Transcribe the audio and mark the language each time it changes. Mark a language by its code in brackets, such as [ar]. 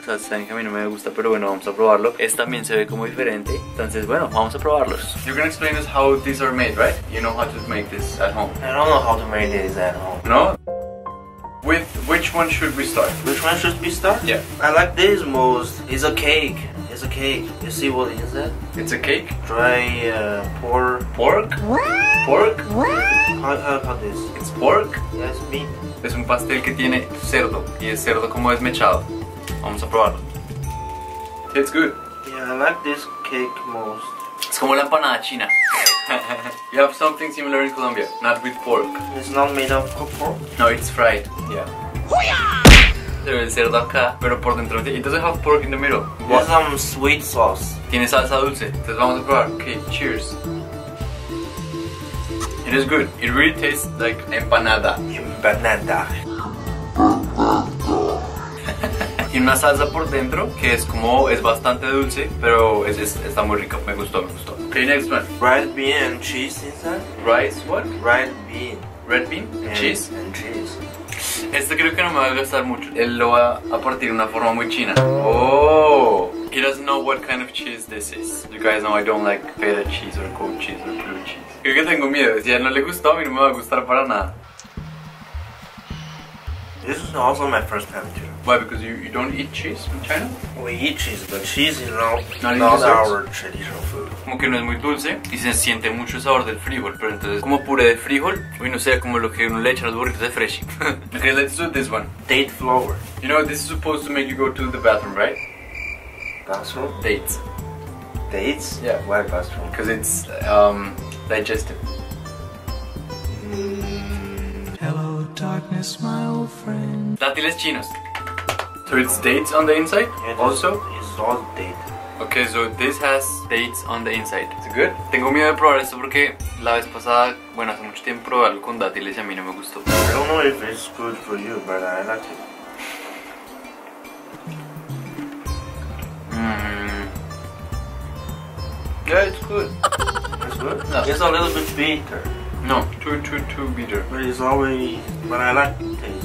[es] O sea, saben que a mí no me gusta, pero bueno, vamos a probarlo. Este también se ve como diferente. Entonces, bueno, vamos a probarlos. [en] You can explain us how these are made, right? You know how to make this at home. I don't know how to make this at home. No? With which one should we start? Which one should we start? Yeah. I like this most. It's a cake. It's a cake. You see what is it? It's a cake. Dry pork. Pork? What? Pork? What? How this? It's pork? Yeah, it's meat. [es] Es un pastel que tiene cerdo. Y es cerdo como desmechado. Vamos a probarlo. [en] It's good. Yeah, I like this cake most. [es] Es como la empanada china. [en] We have something similar in Colombia, not with pork. It's not made of cooked pork? No, it's fried. Yeah. Hoya! [es] Se ve el cerdo acá, pero por dentro. [en] It doesn't have pork in the middle. What? It's some sweet sauce. [es] Tiene salsa dulce. Entonces vamos a probar. [en] Okay, cheers. It is good. It really tastes like empanada. Empanada. [es] Tiene una salsa por dentro que es como, es bastante dulce, pero está muy rica, me gustó. [en] Okay, next one. Red bean and cheese inside. Rice what? Red bean. Red bean and cheese. And cheese. [es] Este creo que no me va a gustar mucho. Él lo va a partir de una forma muy china. Oh! [en] He doesn't know what kind of cheese this is. You guys know I don't like feta cheese or cold cheese or blue cheese. [es] Creo que tengo miedo. Si a él no le gustó, a mí no me va a gustar para nada. [en] This is also my first time too. Why? Because you don't eat cheese in China? We eat cheese, but cheese is not our traditional food. [es] Como que no es muy dulce y se siente mucho el sabor del frijol, pero entonces como puré de frijol, uy, no sé, como lo que uno le echa a los burritos de freshy. [en] Okay, let's do this one. Date flour. You know, this is supposed to make you go to the bathroom, right? Bathroom? Dates. Dates? Yeah. Why bathroom? Because it's digestive. Mm. Hello darkness, my old friend. [es] Dátiles chinos. [en] So it's dates on the inside? Yeah, also? It's all date. Okay, so this has dates on the inside. Is it good? [es] Tengo miedo de probar esto porque la vez pasada, bueno, hace mucho tiempo probé algo con dátiles y a mí no me gustó. [en] I don't know if it's good for you, but I like it. Yeah, it's good. It's good? No. It's a little bit bitter. No, too bitter. But it's always, but I like taste.